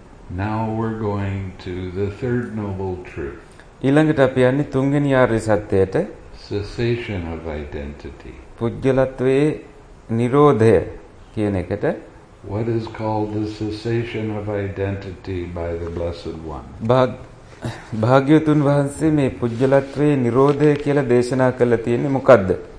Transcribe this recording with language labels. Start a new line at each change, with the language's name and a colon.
English: Now we're going to the third noble truth.
Sinhala: ඊළඟට අපි යන්නේ තුන්වෙනි ආර්ය සත්‍යයට.
English: Cessation of identity.
Sinhala: පුජ්‍යලත්වයේ නිරෝධය කියන එකට.
English: What is called the cessation of identity by the Blessed One?
Sinhala: භාග්‍යවතුන් වහන්සේ මේ පුජ්‍යලත්වයේ නිරෝධය කියලා දේශනා කරලා තියෙන්නේ මොකද්ද?